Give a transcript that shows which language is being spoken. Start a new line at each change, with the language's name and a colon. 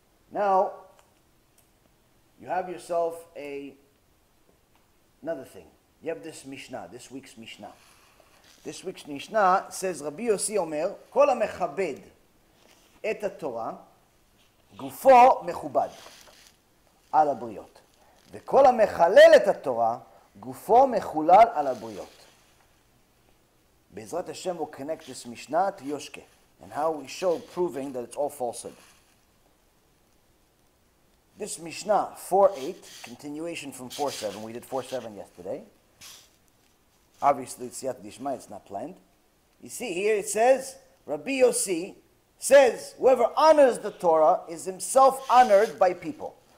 English: Now, you have yourself another thing. You have this Mishnah, this week's Mishnah. This week's Mishnah says, Rabbi Yossi
Hebrew: Omer, Kol HaMechabed Et HaTorah Gufo Mechubad Al HaBriyot. וכל המחלל את התורה, גופו מחולל על הבריות. בעזרת השם,
English: we'll connect this Mishnah to Yoshke, and how we show proving that it's all falsehood. This Mishnah 4:8, continuation from 4:7, we did 4:7 yesterday. Obviously, it's Yat Dishma, it's not planned. You see, here it says, Rabbi Yossi says, whoever honors the Torah is himself honored by people.